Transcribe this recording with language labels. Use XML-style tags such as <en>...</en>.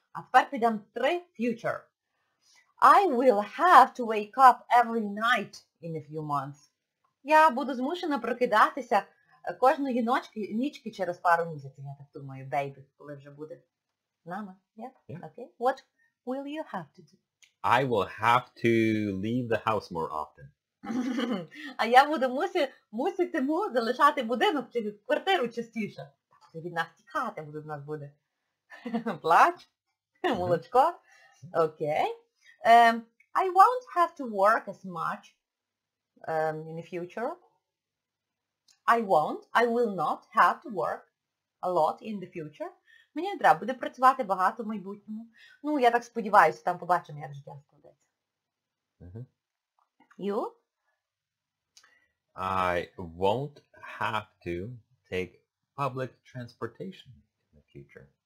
<uk>А тепер підемо три</uk> <en>future. I will have to wake up every night in a few months.</en> <uk>Я буду змушена прокидатися кожної нічки через пару місяців. Я так думаю, baby, коли вже буде з нами.</uk> <en>Yeah? Yeah. Okay. What will you have to do? I will have to leave the house more often.</en> <uk>А я буду мусити залишати будинок чи квартиру частіше. Це від нас тікати буде, в нас буде. Плач, молочко. Окей.</uk> <en>I won't have to work as much in the future. I will not have to work a lot in the future.</en> <uk>Мені не треба буде працювати багато в майбутньому. Ну, я так сподіваюся, там побачимо, як життя складеться.</uk> <en>You? I won't have to take public transportation in the future.</en>